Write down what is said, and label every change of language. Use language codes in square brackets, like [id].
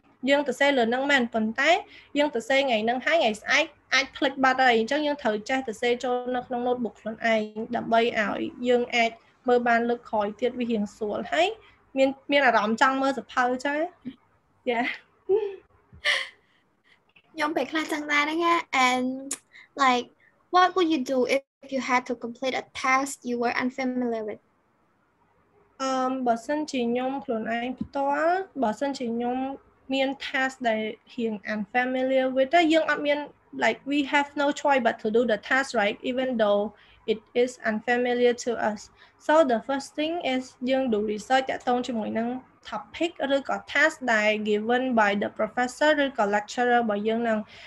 [km] យើងទៅសេលើហ្នឹងមែនប៉ុន្តែយើងទៅសេថ្ងៃហ្នឹងហើយថ្ងៃស្អែកអាចភ្លេចបាត់ហើយអញ្ចឹងយើងត្រូវចេះទៅសេចូលនៅក្នុង notebook ខ្លួនឯងដើម្បីឲ្យយើងអាចមើលបានលើកក្រោយទៀតវារៀងស្រួលហើយមានអារម្មណ៍ចង់មើលសភៅចឹងយ៉ា ខ្ញុំពេលខ្លះចង់ដែរហ្នឹង [en] and like what would you do if you had to complete a task you were unfamiliar with [km] បើសិនជាខ្ញុំខ្លួនឯងផ្ទាល់បើសិនជាខ្ញុំមាន [en] task [km] ដែលហៀង [en] unfamiliar with [km] ហ្នឹងយើងអត់មាន [en] like we have no choice but to do the task right even though it is unfamiliar to us so the first thing is [km] យើងដូរ [en] research [km] តាក់ទងជាមួយនឹង [en] topic [km] ឬក៏ [en] task [km] ដែល [en] given by the professor ឬក៏ lecturer [km] របស់យើងនឹង